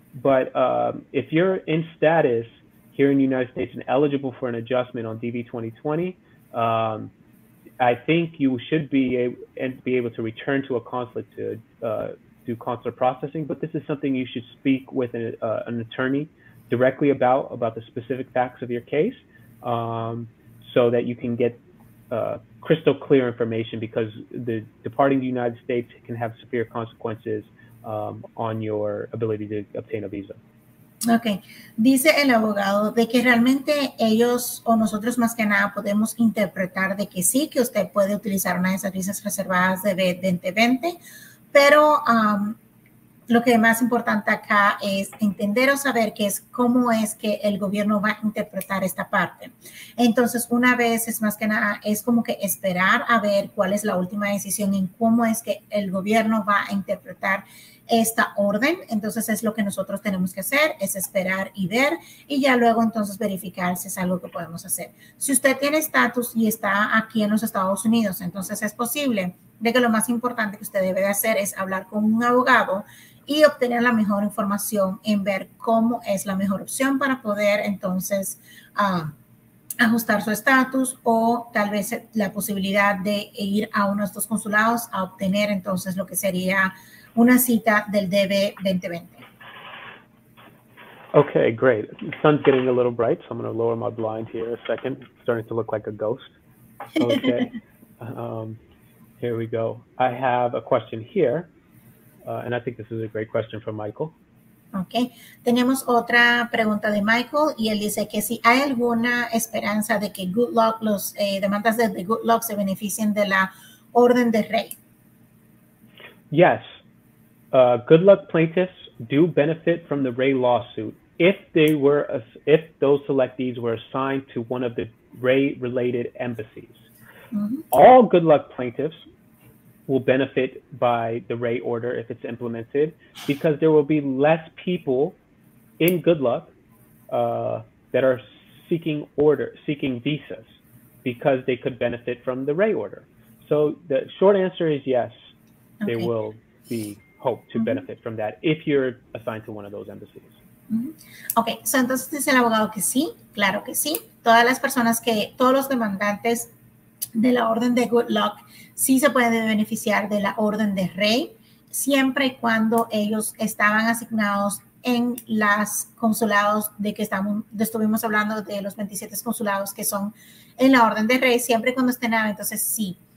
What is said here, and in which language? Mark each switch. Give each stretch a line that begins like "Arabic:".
English: But if you're in status here in the United States and eligible for an adjustment on DV2020, I think you should be able to return to a consulate to do consular processing, but this is something you should speak with an attorney directly about the specific facts of your case, so that you can get crystal clear information, because the departing the United States can have severe consequences on your ability to obtain a visa. Okay.
Spanish: Dice el abogado de que realmente ellos o nosotros más que nada podemos interpretar de que sí, que usted puede utilizar una de esas visas reservadas de 2020. Pero lo que más importante acá es entender o saber qué es, cómo es que el gobierno va a interpretar esta parte. Entonces, una vez es más que nada, es como que esperar a ver cuál es la última decisión en cómo es que el gobierno va a interpretar esta orden. Entonces, es lo que nosotros tenemos que hacer, es esperar y ver, y ya luego entonces verificar si es algo que podemos hacer. Si usted tiene estatus y está aquí en los Estados Unidos, entonces es posible de que lo más importante que usted debe de hacer es hablar con un abogado y obtener la mejor información en ver cómo es la mejor opción para poder entonces ajustar su estatus, o tal vez la posibilidad de ir a uno de estos consulados a obtener entonces lo que sería una cita del DB-2020.
English: Okay, great. The sun's getting a little bright, so I'm going to lower my blind here a second. It's starting to look like a ghost. Okay. Here we go. I have a question here, and I think this is a great question from Michael. Okay.
Spanish: Tenemos otra pregunta de Michael, y él dice que si hay alguna esperanza de que Goodluck, los demandas de Goodluck se beneficien de la orden de rey.
English: Yes. Goodluck plaintiffs do benefit from the Ray lawsuit if those selectees were assigned to one of the Ray-related embassies. Mm-hmm. All Goodluck plaintiffs will benefit by the Ray order if it's implemented, because there will be less people in Goodluck that are seeking visas, because they could benefit from the Ray order. So the short answer is yes, there will be hope to benefit from that if you're assigned to one of those embassies. Mm-hmm. Okay, so
Spanish: entonces dice el abogado que sí, claro que sí. Todas las personas que, todos los demandantes de la orden de Goodluck sí se pueden beneficiar de la orden de Rey, siempre y cuando ellos estaban asignados en los consulados de que estuvimos hablando de los 27 consulados que son en la orden de Rey, siempre y cuando estén ahí, entonces sí.